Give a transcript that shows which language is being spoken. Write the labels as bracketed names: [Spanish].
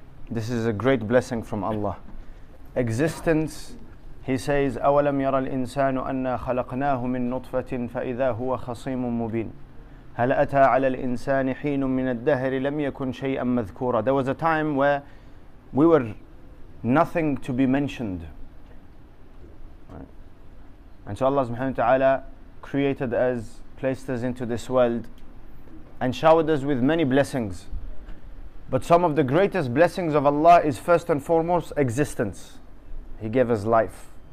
[English] This is a great blessing from Allah. Existence, He says, [Arabic] أَوَلَمْ يَرَى الْإِنسَانُ أَنَّا خَلَقْنَاهُ مِنْ نُطْفَةٍ فَإِذَا هُوَ خَصِيمٌ مُبِينٌ هَلْ أَتَى عَلَى الْإِنسَانِ حِينٌ مِنَ الدَّهْرِ لَمْ يَكُنْ شَيْئًا مَذْكُورًا. [English] There was a time where we were nothing to be mentioned. Right. And so Allah subhanahu wa ta'ala created us, placed us into this world, and showered us with many blessings. But some of the greatest blessings of Allah is first and foremost existence. He gave us life.